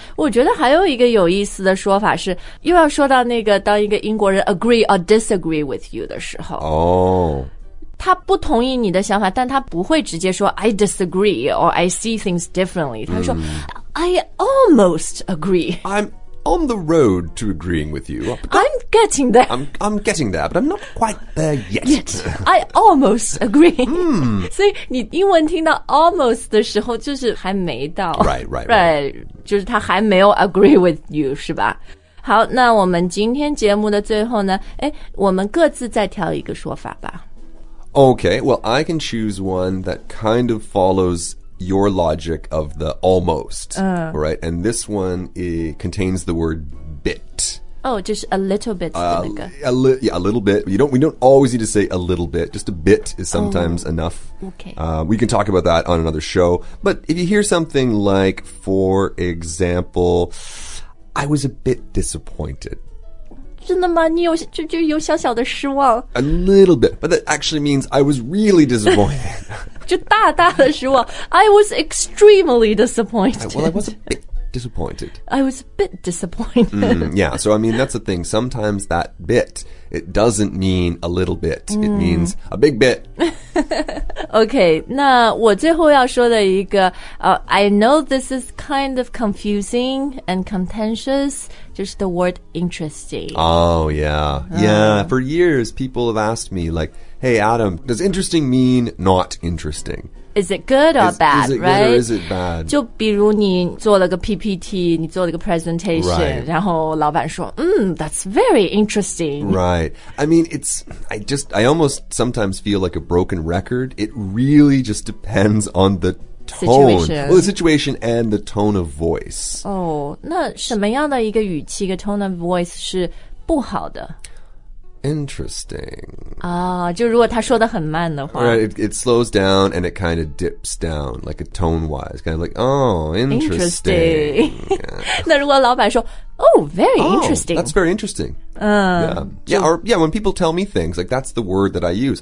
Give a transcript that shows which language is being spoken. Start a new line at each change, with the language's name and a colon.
Chinese: 我觉得还有一个有意思的说法是又要说到那个当一个英国人
English: agree or disagree with you
Chinese: 的时候他不同意你的想法但他不会直接说
English: I disagree or I see things differently
Chinese: 他说、mm-hmm.
English: I almost agree. I'm on the road to agreeing with you. I'm getting there. I'm getting there, but I'm not quite there yet. Yet. I almost agree. 所以你英文听到 almost 的时候就是还没到。 Right, right, right.
Chinese: Right, 就是他还没有
English: agree with you,
Chinese: 是吧？好，那我们今天节目的最后呢，诶，我们各自再挑一个说法吧。
English: Okay, well, I can choose one that kind of follows... your logic of the almost,、right? And this one contains the word bit. Oh, just a little bit. A little bit. We don't always need to say a little bit. Just a bit is sometimes enough. Okay. We can talk about that on another show. But if you hear something like, for example, I was a bit disappointed.
Chinese: 真的吗？你有就就有小小的失望
English: ？A little bit, but that actually means I was really disappointed.
Chinese: 就大大的失望。
English: I was extremely disappointed. Well, I was a bit disappointed. I was a bit disappointed. Yeah, so I mean, that's the thing. Sometimes that bit, it doesn't mean a little bit. It means a big bit. Okay,
Chinese: 那我最后要说的一个、
English: I know this is kind of confusing and contentious,Just the word interesting. Oh, yeah. Yeah, for years, people have asked me, like, hey, Adam, does interesting mean not interesting? Is it good or bad, right? Is it good or is it bad?
Chinese: 就比如你做了个 PPT, 你做了个 presentation,、
English: right.
Chinese: 然后老板说、
English: that's very interesting. Right. I mean, I almost sometimes feel like a broken record. It really just depends on the... Tone. Situation. Well, the situation and the tone of voice.
Chinese: Oh, 那什么样的一个语气，一个
English: tone of voice
Chinese: 是不好的？
English: Interesting.
Chinese: 啊、oh, ，就如果他说的很慢的话。
English: Right, it slows down and it kind of dips down, like a tone-wise, kind of like, oh, interesting. Interesting.
Chinese: 那如果老板说
English: oh, very interesting. Oh, that's very interesting. Yeah. Yeah, or, yeah, when people tell me things, like that's the word that I use.